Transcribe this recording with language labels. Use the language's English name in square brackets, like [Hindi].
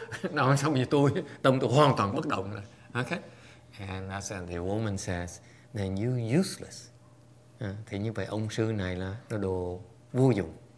[Vietnamese] Năm sau như tôi, tâm tôi hoàn toàn bất động rồi. [English] Okay. And that's when the woman says, then you're useless. [Vietnamese] Thì như vậy ông sư này là nó đồ vô dụng.